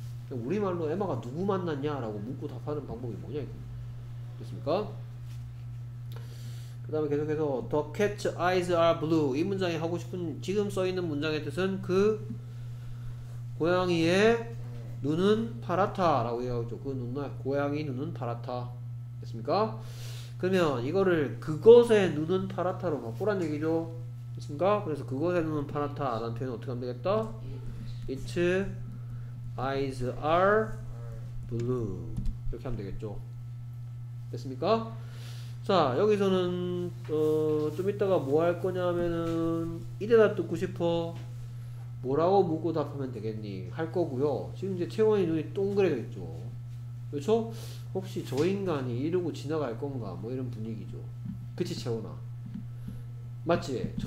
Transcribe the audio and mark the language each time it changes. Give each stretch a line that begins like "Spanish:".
Korean: 우리말로 에마가 누구 만났냐라고 묻고 답하는 방법이 뭐냐 이거. 됐습니까? 그 다음에 계속해서
English: The cat's eyes are blue.
Korean: 이 문장이 하고 싶은 지금 써있는 문장의 뜻은 그 고양이의 눈은 파랗다 라고 얘기하죠. 그 고양이 눈은 파랗다. 됐습니까? 그러면 이거를 그것의 눈은 파랗다로 바꾸란 얘기죠. 있습니까? 그래서 그것의 눈은 파랗다 라는 표현은 어떻게 하면 되겠다?
English: It's eyes are blue
Korean: 이렇게 하면 되겠죠. 됐습니까? 자 여기서는 좀 이따가 뭐 할 거냐 하면은 이 대답 듣고 싶어 뭐라고 묻고 답하면 되겠니 할 거고요. 지금 이제 채원이 눈이 동그래 있죠. 그렇죠? 혹시 저 인간이 이러고 지나갈 건가 뭐 이런 분위기죠. 그치 채원아? 맞지?